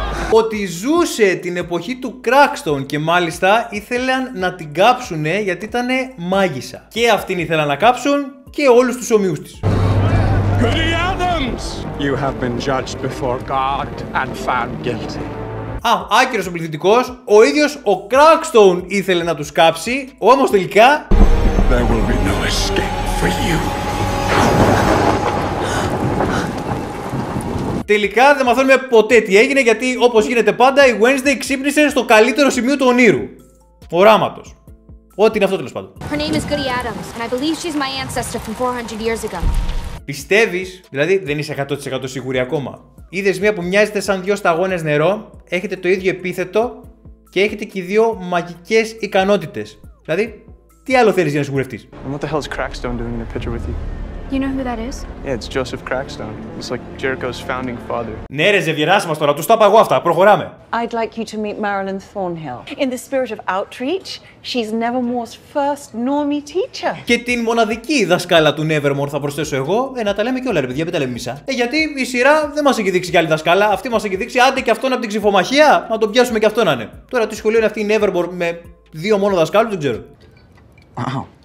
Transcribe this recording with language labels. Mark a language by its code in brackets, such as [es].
[el] ότι ζούσε την εποχή του Κράξτον και μάλιστα ήθελαν να την κάψουνε γιατί ήτανε μάγισσα. Και αυτήν ήθελαν να κάψουν και όλους τους ομοίους της. [en] Goody Adams! You have been judged before God and found guilty. [el] Α, άκυρος ο πληθυντικός, ο ίδιος ο Κράκστον ήθελε να τους κάψει, όμως τελικά... [en] There will be no escape for you. [el] Τελικά δεν μαθαίνουμε ποτέ τι έγινε, γιατί όπως γίνεται πάντα, η Wednesday ξύπνησε στο καλύτερο σημείο του ονείρου. Οράματος. Ό,τι είναι αυτό τέλος πάντων. [en] Her name is Goody Adams, and I believe she's my ancestor from 400 years ago. [el] Πιστεύεις, δηλαδή δεν είσαι 100% σίγουρη ακόμα. Είδες μία που μοιάζεται σαν δύο σταγόνες νερό, έχετε το ίδιο επίθετο και έχετε και δύο μαγικές ικανότητες. Δηλαδή, τι άλλο θέλεις για να σιγουρευτείς. [en] And what the hell is Crackstone doing in a picture with you? You know who that is? Yeah, it's Joseph Crackstone. It's like Jericho's founding father. [el] Ναι ρε Ζεβιεράς μας τώρα, τους τα είπα εγώ αυτά, προχωράμε. [en] I'd like you to meet Marilyn Thornhill. In the spirit of outreach, she's Nevermore's first normie teacher. [el] Και την μοναδική δασκάλα του Nevermore θα προσθέσω εγώ. Να τα λέμε και όλα ρε παιδιά, μην τα λέμε μισά. Γιατί η σειρά δεν μας έχει δείξει κι άλλη δασκάλα. Αυτή μας έχει δείξει άντε και αυτόν από την ξυφομαχία. Να τον πιάσουμε κι αυτόν να είναι. Τώρα τι σχολείο είναι αυτή η Nevermore με δύο μόνο δασκάλου, δεν ξέρω. [en] Wow.